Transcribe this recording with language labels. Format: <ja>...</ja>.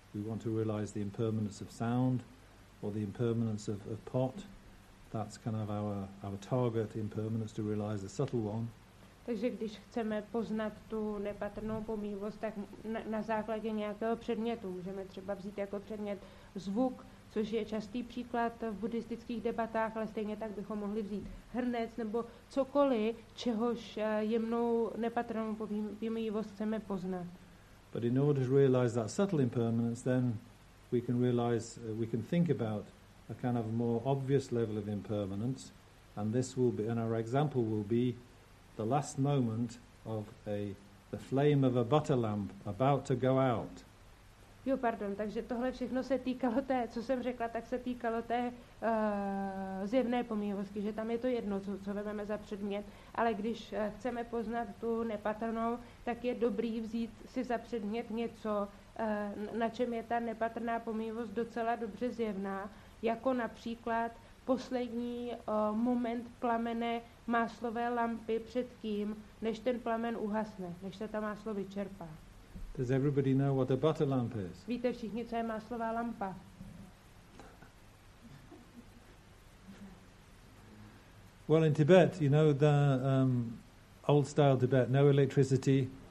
<en>We want to realize the impermanence of sound or the impermanence of pot. That's kind of our target impermanence, to realize the subtle one.</en> <cs>Takže když chceme poznat tu nepatrnou pomývost, tak na základě nějakého předmětu můžeme třeba vzít jako předmět zvuk, což je častý příklad v buddhistických debatách, ale stejně tak bychom mohli vzít hrnec nebo cokoliv, čehož jemnou nepatrnou pomývost chceme poznat.</cs> <en>But in order to realize that subtle impermanence, then we can realize, we can think about a kind of more obvious level of impermanence, and this will be, and our example will be the last moment of the flame of a butter lamp about to go out.</en> <cs>Jo, pardon, takže tohle všechno se týkalo té, co jsem řekla, tak se týkalo té zjevné pomývosti, že tam je to jedno, co vezmeme za předmět, ale když chceme poznat tu nepatrnou, tak je dobrý vzít si za předmět něco, na čem je ta nepatrná pomývost docela dobře zjevná, jako například poslední moment plamene máslové lampy před tím, než ten plamen uhasne, než se ta máslo vyčerpá.</cs> <en>Does everybody know what a butter lamp is?</en> <cs>Víte všichni, co je máslová lampa?</cs> <en>Well, in Tibet, you know, the old style Tibet, no electricity.</en>